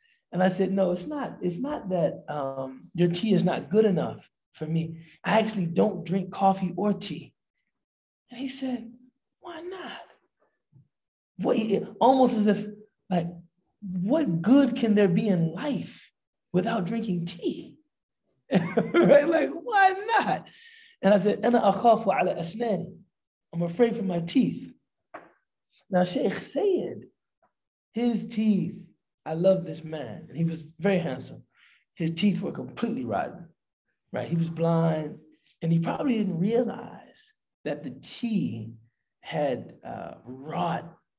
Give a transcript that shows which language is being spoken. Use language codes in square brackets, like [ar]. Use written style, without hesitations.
[en] And I said, no, it's not. It's not that your tea is not good enough for me. I actually don't drink coffee or tea. And he said, why not? Almost as if, like, what good can there be in life without drinking tea? Right? Like, why not? [ar] And I said, أنا أخاف على أسناني. [en] I'm afraid for my teeth. Now, Sheikh Sayyid, his teeth, I love this man. And he was very handsome. His teeth were completely rotten, right? He was blind, and he probably didn't realize that the tea had rot.